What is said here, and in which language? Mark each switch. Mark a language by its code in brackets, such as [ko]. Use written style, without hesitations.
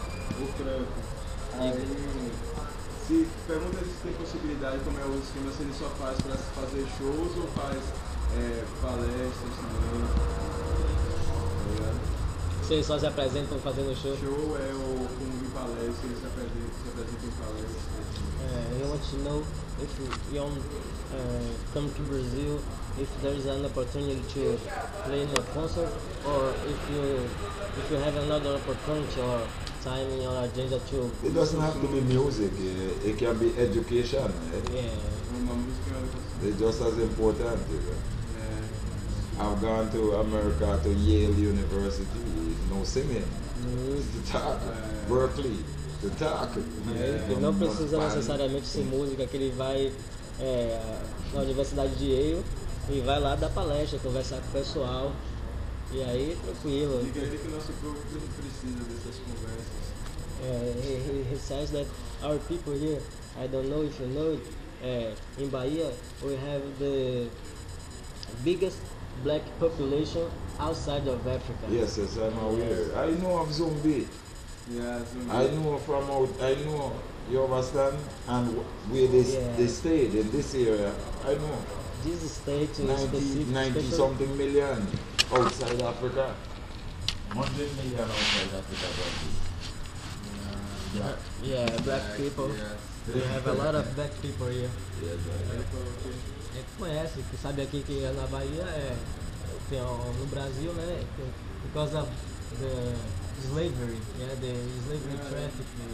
[pt] Se pergunta se tem possibilidade, como é o esquema, se ele só faz para fazer shows ou faz palestras também. Se eles só se apresentam fazendo show? Show é o como de palestra, eles se apresentam em palestras. [en] I want to know if Yon come to Brazil, if there is an opportunity to play in a concert, or if you have another opportunity or time in your agenda to... It doesn't have to be music, it can be education. Yeah. It's just as important, you know. Yeah. I've gone to America, to Yale University, no singing. It's the talk, Berkeley, the talk. [pt] Ele não precisa necessariamente ser música, que ele vai na Universidade de Yale, e vai lá dar palestra, conversar com o pessoal. E aí, tranquilo. Diga ele que o nosso povo precisa dessas conversas. [en] He says that our people here, I don't know if you know it, in Bahia, we have the biggest black population outside of Africa. Yes, yes, I'm aware. I know of Zumbi. Yeah, Zumbi. I know from out, I know, you understand? And where they stayed in this area, I know. This state is 90 something million outside Africa. 100 million outside Africa, black people. Yes. We have a lot of black people here. Yes, I know. [pt] Conhece, que sabe aqui que na Bahia tem no Brasil, né? [en] Because of the slavery, the slavery traffic.